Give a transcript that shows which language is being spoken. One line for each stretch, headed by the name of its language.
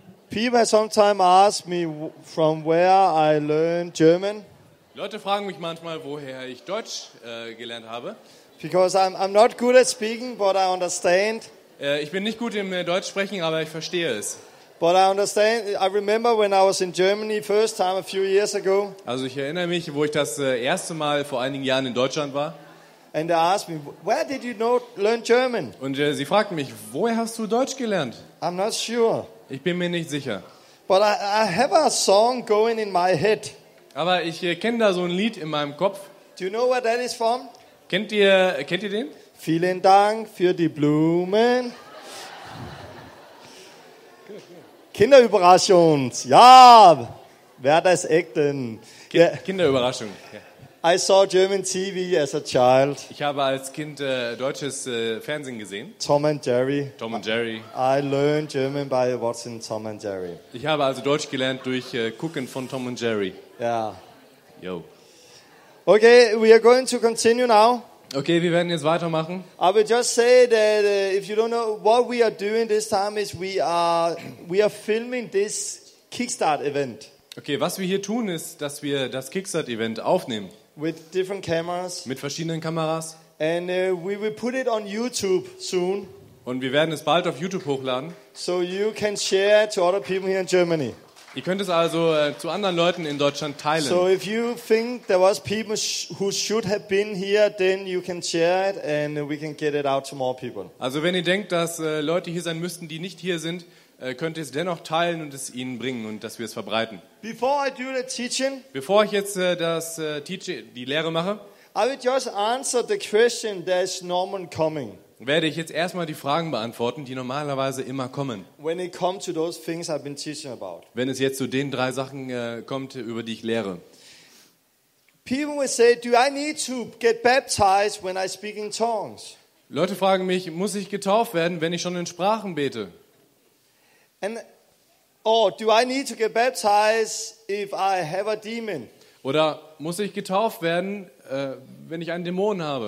English: People have sometimes asked me from where I learned German.
German: Leute fragen mich manchmal, woher ich Deutsch gelernt habe.
English: Because I'm not good at speaking, but I understand.
German: Ich bin nicht gut im Deutsch sprechen, aber ich verstehe es.
English: But I understand. I remember when I was in Germany first time a few years ago.
German: Also ich erinnere mich, wo ich das erste Mal vor einigen Jahren in Deutschland war.
English: And they asked me, where did you know, learn German?
German: Und sie fragten mich, woher hast du Deutsch gelernt?
English: I'm not sure.
German: Ich bin mir nicht sicher.
English: But I have a song going in my head.
German: Aber ich kenne da so ein Lied in meinem Kopf.
English: Do you know where that is from?
German: Kennt ihr den? Vielen Dank für die Blumen. Kinderüberraschung. Ja, wer das echt denn? Kinderüberraschung.
English: I saw German TV as a child.
German: Ich habe als Kind deutsches Fernsehen gesehen.
English: Tom and Jerry. Tom and Jerry. I learned German by watching Tom and Jerry.
German: Ich habe also Deutsch gelernt durch gucken von Tom and Jerry.
English: Yeah. Yo. Okay, we are going to continue now.
German: Okay, wir werden jetzt weitermachen.
English: I will just say that if you don't know what we are doing this time is we are filming this Kickstart event.
German: Okay, was wir hier tun ist, dass wir das Kickstart Event aufnehmen.
English: With different cameras.
German: Mit verschiedenen Kameras.
English: And we will put it on YouTube soon.
German: Und wir werden es bald auf YouTube hochladen.
English: So you can share to other people here in Germany.
German: Ihr könnt es also zu anderen Leuten in Deutschland teilen.
English: So if you think there was people who should have been here, then you can share it and we can get it out to more people.
German: Also wenn ihr denkt, dass Leute hier sein müssten, die nicht hier sind, könnt ihr es dennoch teilen und es ihnen bringen und dass wir es verbreiten.
English: Before I do the teaching,
German: bevor ich jetzt die Lehre mache,
English: I will just answer the question that is normally coming.
German: Werde ich jetzt erstmal die Fragen beantworten, die normalerweise immer kommen.
English: When it comes to those things I've been teaching about.
German: Wenn es jetzt zu den drei Sachen kommt, über die ich lehre.
English: People will say, do I need to get baptized when I speak in tongues?
German: Leute fragen mich, muss ich getauft werden, wenn ich schon in Sprachen bete?
English: And or do I need to get baptized if I have a demon?
German: Oder muss ich getauft werden, wenn ich einen Dämon habe?